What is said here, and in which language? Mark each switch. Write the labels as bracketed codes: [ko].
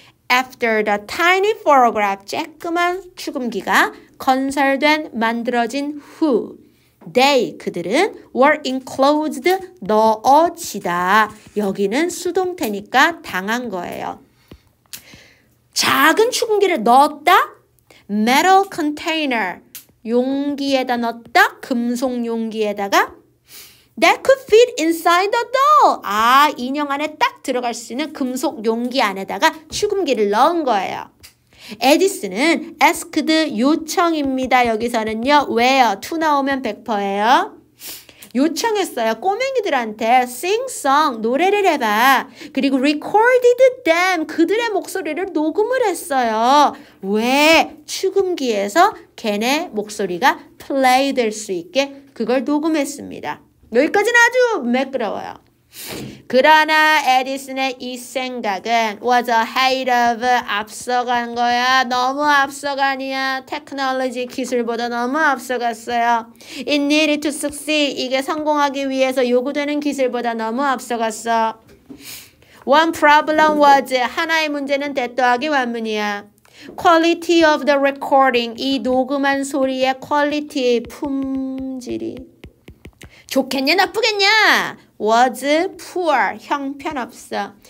[en] After the tiny phonograph, [ko] 쬐끄만 축음기가 건설된, 만들어진 후, [en] they, [ko] 그들은 [en] were enclosed, [ko] 넣어지다. 여기는 수동태니까 당한 거예요. 작은 축음기를 넣었다? [en] Metal container, [ko] 용기에다 넣었다? 금속 용기에다가? [en] That could fit inside the doll. [ko] 아, 인형 안에 딱 들어갈 수 있는 금속 용기 안에다가 축음기를 넣은 거예요. 에디슨은 asked, 요청입니다. 여기서는요. 왜요? 2 나오면 100%예요. 요청했어요. 꼬맹이들한테 [en] sing song, [ko] 노래를 해봐. 그리고 [en] recorded them, [ko] 그들의 목소리를 녹음을 했어요. 왜? 축음기에서 걔네 목소리가 play 될 수 있게 그걸 녹음했습니다. 여기까지는 아주 매끄러워요. 그러나 에디슨의 이 생각은 [en] was ahead of, [ko] 앞서간 거야. 너무 앞서간이야. 테크놀로지 기술보다 너무 앞서갔어요. [en] It needed to succeed. [ko] 이게 성공하기 위해서 요구되는 기술보다 너무 앞서갔어. [en] One problem was, [ko] 하나의 문제는 대또하기 완문이야. [en] Quality of the recording. [ko] 이 녹음한 소리의 퀄리티, 품질이 좋겠냐 나쁘겠냐? [en] was poor, [ko] 형편없어.